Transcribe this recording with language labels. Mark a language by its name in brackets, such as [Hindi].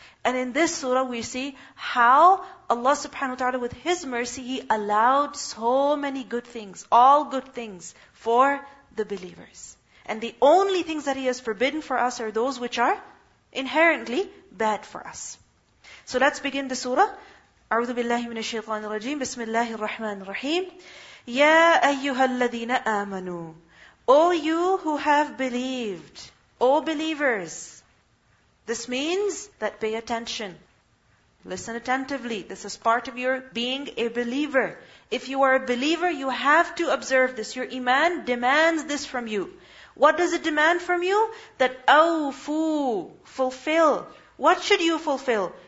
[English] And in this surah, we see how Allah subhanahu wa ta'ala, with His mercy, He allowed so many good things, all good things, for the believers. And the only things that He has forbidden for us are those which are inherently bad for us. So let's begin the surah. [Arabic] أعوذ بالله من الشيطان الرجيم بسم الله الرحمن الرحيم يا أيها الذين آمنوا [English] All you who have believed, all believers. This means that pay attention. Listen attentively. This is part of your being a believer. If you are a believer, you have to observe this. Your iman demands this from you. What does it demand from you? That awfu, fulfill. What should you fulfill?